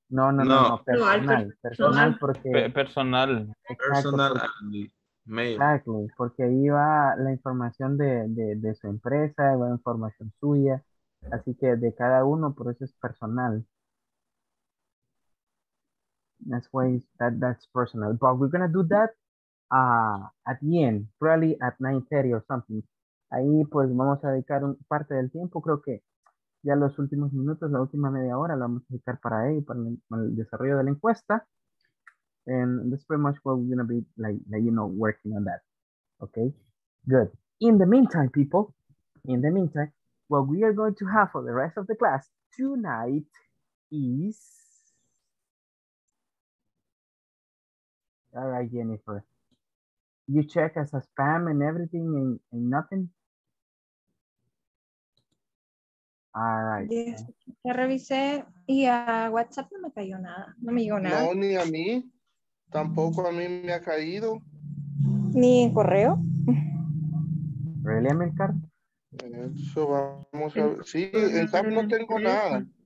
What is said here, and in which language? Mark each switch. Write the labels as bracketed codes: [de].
[es] No, personal. Personal, porque... Personal. Personal. Mail. Exacto, porque ahí va la información de su empresa, va información suya, así que de cada uno, por eso es personal. [en] That's why that's personal. But we're gonna do that at the end, probably at 9:30 or something. [es] Ahí pues vamos a dedicar parte del tiempo, creo que ya los últimos minutos, la última media hora, la vamos a dedicar para ahí, para el desarrollo de la encuesta. [en] And that's pretty much what we're going to be like, you know, working on that. Okay, good. In the meantime, people, what we are going to have for the rest of the class tonight is... All right, Jennifer. You check as a spam and everything and nothing? All right. [es] Yes, ya revisé y a WhatsApp no me cayó nada. No me llegó nada. No, ni a mí. Tampoco a mí me ha caído. ¿Ni en correo? [en] ¿Really, Amilcar? [es] Eso vamos a ver. Sí, en SAP no tengo nada.